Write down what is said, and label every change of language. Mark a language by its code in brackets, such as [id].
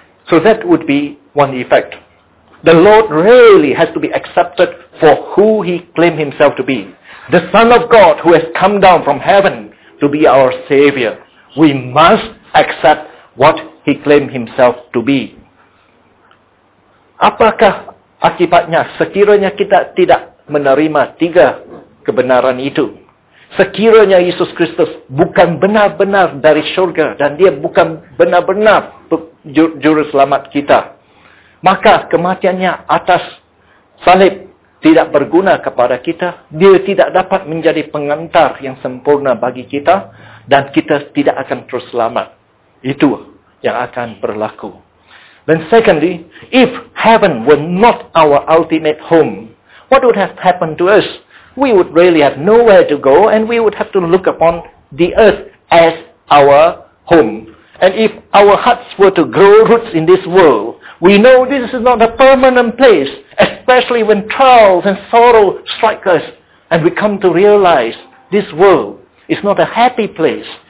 [en] So that would be one effect. The Lord really has to be accepted for who he claimed himself to be. The Son of God who has come down from heaven to be our savior. We must accept what he claimed himself to be. [ms] Apakah akibatnya sekiranya kita tidak menerima tiga kebenaran itu? Sekiranya Yesus Kristus bukan benar-benar dari syurga dan dia bukan benar-benar juru selamat kita, maka kematiannya atas salib tidak berguna kepada kita, dia tidak dapat menjadi pengantar yang sempurna bagi kita, dan kita tidak akan terus selamat. Itu yang akan berlaku. [en] Then secondly, if heaven were not our ultimate home, what would have happened to us? We would really have nowhere to go, and we would have to look upon the earth as our home. And if our hearts were to grow roots in this world, we know this is not a permanent place, especially when trials and sorrow strike us, and we come to realize this world is not a happy place.